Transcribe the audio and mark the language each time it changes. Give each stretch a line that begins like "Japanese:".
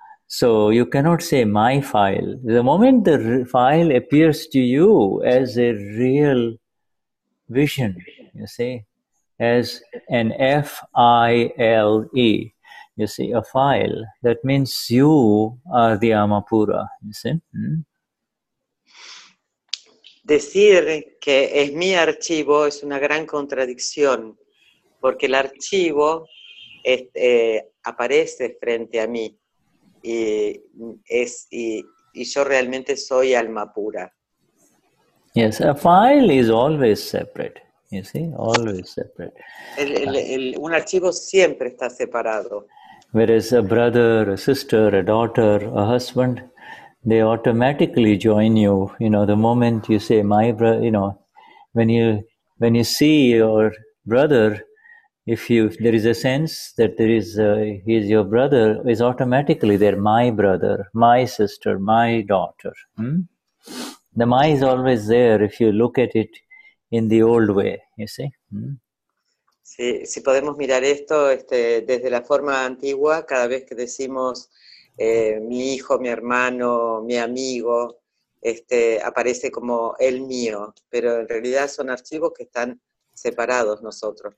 English: So you cannot say my file. The moment the file appears to you as a real vision, you see, as an file, you see, a file, that means you are the Amapura, you see. Mm?
Spanish: Decir que es mi archivo es una gran contradicción, porque el archivo es, aparece frente a mí y, es, y yo realmente soy alma pura.
English: Yes, a file is always separate, you see, always separate.
Spanish: Un archivo siempre está separado.
English: Whereas a brother, a sister, a daughter, a husband, they automatically join you, you know, the moment you say my brother, you know, when you see your brother, if there is a sense that there is he is your brother, is automatically there, my brother, my sister, my daughter. Hmm? The my is always there if you look at it in the old way, you see. Hmm?
Spanish: Sí, si podemos mirar esto desde la forma antigua, cada vez que decimos mi hijo, mi hermano, mi amigo, aparece como el mío, pero en realidad son archivos que están separados nosotros.